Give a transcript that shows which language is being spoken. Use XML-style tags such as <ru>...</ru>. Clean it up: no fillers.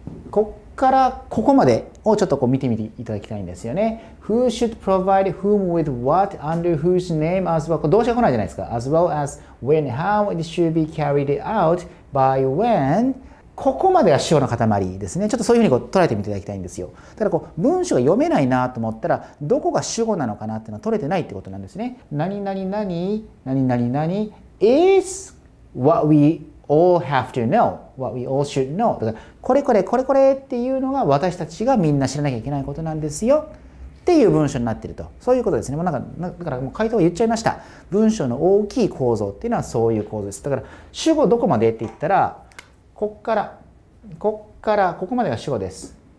<ja>ここからここまでをちょっとこう見てみていただきたいんですよね。</ja> <en>Who should provide whom with what under whose name as well?</en> <ja>動詞が来ないじゃないですか。</ja> <en>As well as when, how it should be carried out, by when。</en> <ja>ここまでが主語の塊ですね。ちょっとそういうふうにこう捉えてみていただきたいんですよ。だからこう文章が読めないなと思ったら、どこが主語なのかなっていうのは取れてないってことなんですね。</ja> <en>何々 is what we all have to know. What we all should know.</en> <ja>だからこれっていうのが私たちがみんな知らなきゃいけないことなんですよっていう文章になっていると、そういうことですね。もうだからもう回答は言っちゃいました。文章の大きい構造っていうのはそういう構造です。だから主語どこまでって言ったら、こっからここまでが主語です。</ja>